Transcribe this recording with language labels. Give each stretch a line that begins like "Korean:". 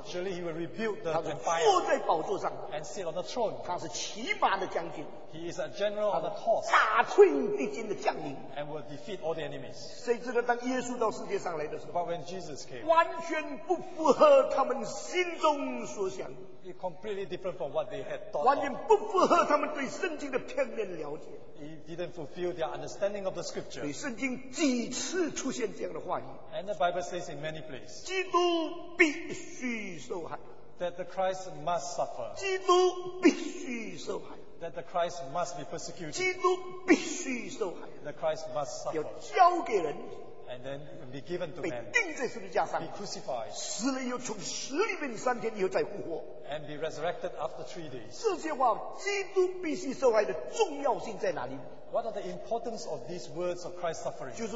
English: Surely he will rebuild the
Chinese: empire. 坐在宝座上，
English: And sit on the throne.
Chinese: 他是骑马的将军。
English: He is a general on the horse.
Chinese: 打退敌军的将领。
English: And will defeat all the enemies.
Chinese: 谁知道当耶稣到世界上来的时候，
English: But when Jesus came,
Chinese: 完全不符合他们心中所想的。
English: It completely different from what they had thought.
Chinese: 完全不符合他们对圣经的片面了解。
English: It didn't fulfill their understanding of the scripture.
Chinese: 对圣经几次出现这样的话语。
English: And the Bible says in many places,
Chinese: 基督必须受害。
English: That the Christ must suffer.
Chinese: 基督必须受害。
English: That the Christ must be persecuted.
Chinese: 基督必须受害。
English: The Christ must suffer.
Chinese: 要交给人。
English: And then be given to man, be crucified,
Chinese: 死了又从死里面三天以后再复活,
English: and be resurrected after 3 days.
Chinese: 这些话，基督必须受害的重要性在哪里？
English: What are the importance of these words of Christ's suffering?